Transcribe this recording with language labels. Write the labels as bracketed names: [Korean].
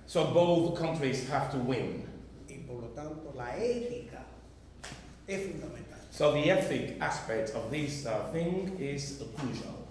[English] So both countries have to win. [Spanish] Y por lo tanto la ética es fundamental. [English] So the ethic aspect of this thing is crucial.